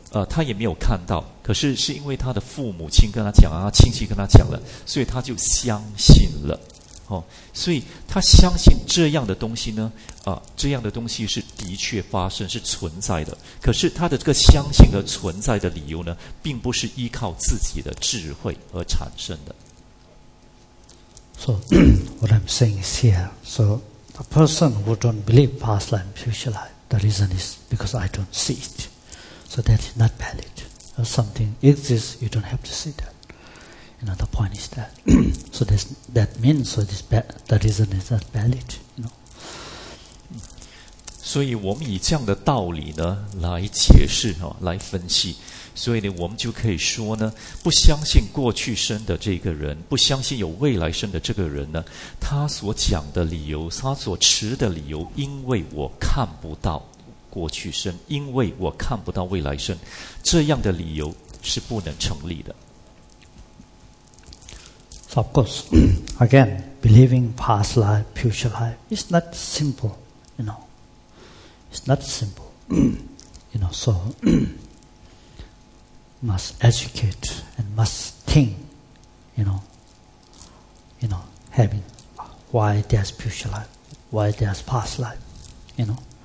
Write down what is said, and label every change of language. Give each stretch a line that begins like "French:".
Chinese: 他也没有看到，可是是因为他的父母亲跟他讲啊，亲戚跟他讲了，所以他就相信了，哦，所以他相信这样的东西呢，这样的东西是的确发生，是存在的。可是他的这个相信和存在的理由呢，并不是依靠自己的智慧而产生的。
English: So what I'm saying is here, so a person who don't believe past life, future life, the reason is because I don't see it. So that's not valid. If something exists, you don't have to see that. You know, the point is that. So that means, so this the reason is not valid. You know.
Chinese: 所以我们以这样的道理呢来解释啊，来分析。所以呢，我们就可以说呢，不相信过去生的这个人，不相信有未来生的这个人呢，他所讲的理由，他所持的理由，因为我看不到。过去生，因为我看不到未来生，这样的理由是不能成立的。
English: So of course, again, believing past life, future life is not simple, you know. It's not simple, you know. So must educate and must think, you know, having why there's future life, why there's past life, you know.